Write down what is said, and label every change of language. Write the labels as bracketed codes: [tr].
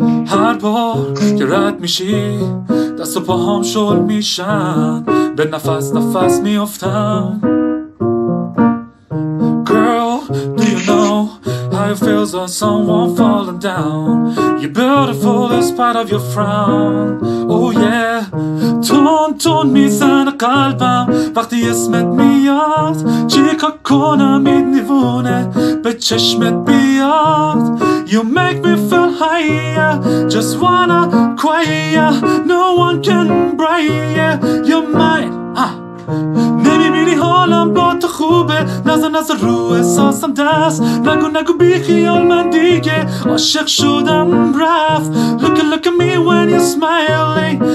[fa] هر بار که رد میشی دست و پاهم شل میشن به نفس نفس میافتم. [en] Girl do you know how it feels like someone falling down. You're beautiful in spite of your frown. Oh yeah. [fa] تون تون میزنه قلبم وقتی اسمت میاد. چیکار کنم این نیوونه به چشمت بیاد. [en] You make me feel high, just wanna cry. No one can break your mind. [fa] نمیبینی حالم با تو خوبه. نزن رو احساسم دست. نگو بی خیال من دیگه عاشق شدم رفت. [en] Look at me when you're smiling.